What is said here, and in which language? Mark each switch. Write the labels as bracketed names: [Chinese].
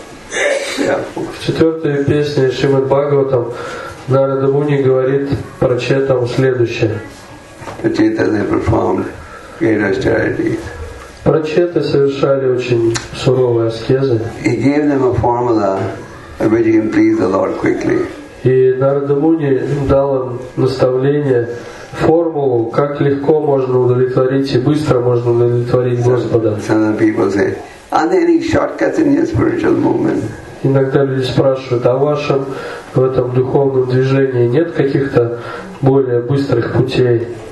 [Russian] В четвертой песне Шримад Бхагаватам Нарада Муни говорит Прачетам следующее. [English] Prachetas have performed great austerities. [Russian] Прачеты совершали очень суровые аскезы. [English] He gave them a formula which can please the Lord quickly. [Russian] И Нарада Муни дал им наставление, формулу, как легко можно удовлетворить и быстро можно удовлетворить Господа. Иногда люди спрашивают, а в вашем в этом духовном движении нет каких-то более быстрых путей?